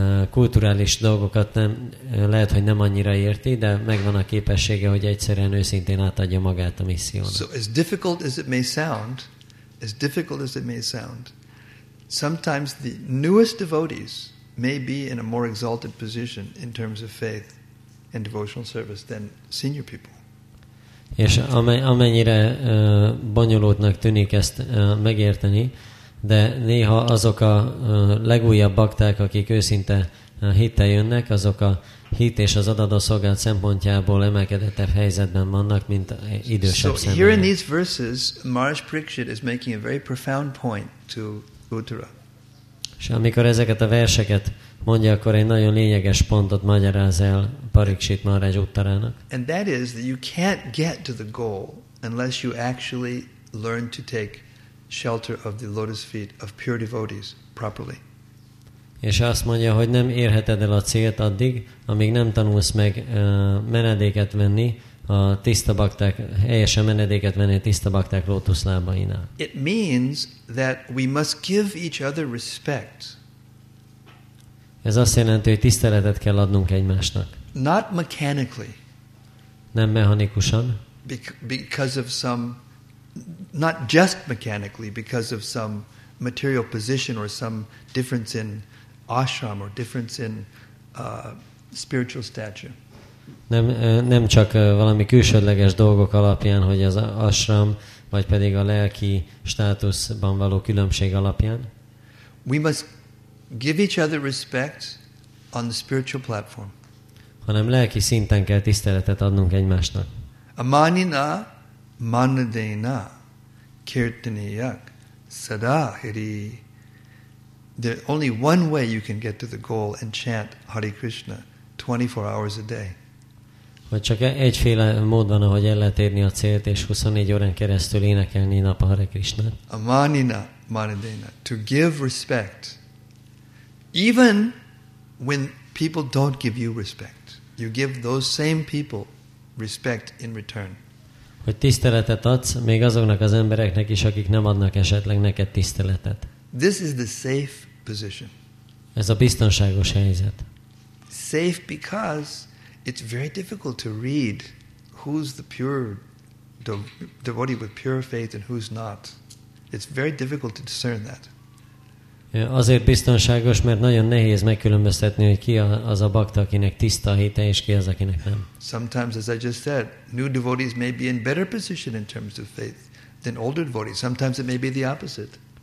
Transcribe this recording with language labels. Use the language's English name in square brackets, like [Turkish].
[Hungarian] kulturális dolgokat nem, lehet, hogy nem annyira érti, de megvan a képessége, hogy egyszerűen őszintén átadja magát a missziónak. [English] So as difficult as it may sound, as difficult as it may sound, sometimes the newest devotees may be in a more exalted position in terms of faith and devotional service than senior people. [Hungarian] És amennyire bonyolultnak tűnik ezt megérteni, de néha azok a legújabb bakták, akik őszinte hittel jönnek, azok a hit és az adadó szolgált szempontjából emelkedettebb helyzetben vannak, mint idősebb személyek. [English] So here in these verses, Maharaj Pariksit is making a very profound point to Uttara. [Hungarian] És amikor ezeket a verseket mondja, akkor egy nagyon lényeges pontot magyaráz el Pariksit Maharaj Uttarának. [English] And that is that you can't get to the goal unless you actually learn to take shelter of the lotus feet of pure devotees properly. [Hungarian] És azt mondja, hogy nem érheted el a célt addig, amíg nem tanulsz meg menedéket venni a tiszta bakták, helyesen menedéket venni a tiszta bakták lótuszlábainál. [English] It means that we must give each other respect. [Hungarian] Ez azt jelenti, hogy tiszteletet kell adnunk egymásnak. [English] Not mechanically. [Hungarian] Nem mechanikusan. [English] Because of some, not just mechanically, because of some material position or some difference in ashram or difference in spiritual stature. [Hungarian] Nem csak valami külsődleges dolgok alapján, hogy az ashram, vagy pedig a lelki státuszban való különbség alapján. [English] We must give each other respect on the spiritual platform. [Hungarian] Hanem lelki szinten kell tiszteletet adnunk egymásnak. [Sanskrit] Amanina manadena kirtaniyak sada hiri. [English] There's only one way you can get to the goal and chant Hare Krishna 24 hours a day. [Hungarian] Vagy csak egyféle mód van, ahogy el lehet érni a célt, és 24 órán keresztül énekelni nap a Hare Krishna. [Sanskrit] Amanina manadena. [English] To give respect. Even when people don't give you respect, you give those same people respect in return. [Hungarian] Hogy tiszteletet adsz még azoknak az embereknek is, akik nem adnak esetleg neked tiszteletet. [English] This is the safe position. [Hungarian] Ez a biztonságos helyzet. [English] Safe because it's very difficult to read who's the pure devotee with pure faith and who's not. It's very difficult to discern that. [Hungarian] Azért biztonságos, mert nagyon nehéz megkülönböztetni, hogy ki az a bakta, akinek tiszta a hite, és ki az, akinek nem. [English] Sometimes, as I just said, new devotees may be in better position in terms of faith than older devotees. Sometimes it may be the opposite.